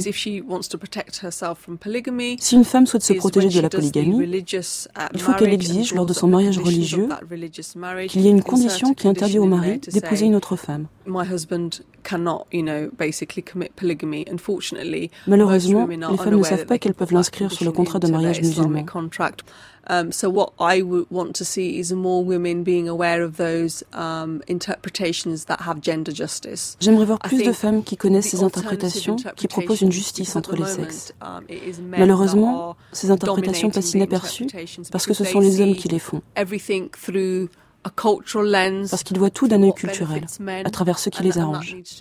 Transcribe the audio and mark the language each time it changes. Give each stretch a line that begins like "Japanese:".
French: Si une femme souhaite se protéger de la polygamie, il faut qu'elle exige, lors de son mariage religieux, qu'il y ait une condition qui interdit au mari d'épouser une autre femme. Malheureusement, les femmes ne savent pas qu'elles peuvent l'inscrire sur le contrat de mariage musulman.
English: So what I want to see is more women being aware of those interpretations that have gender justice.
French: J'aimerais voir plus de femmes qui connaissent ces interprétations qui proposent une justice entre les sexes. Malheureusement, ces interprétations passent inaperçues parce que ce sont les hommes qui les font.
English: Everything through a cultural lens.
French: Parce qu'ils voient tout d'un œil culturel, à travers ce qui les arrange.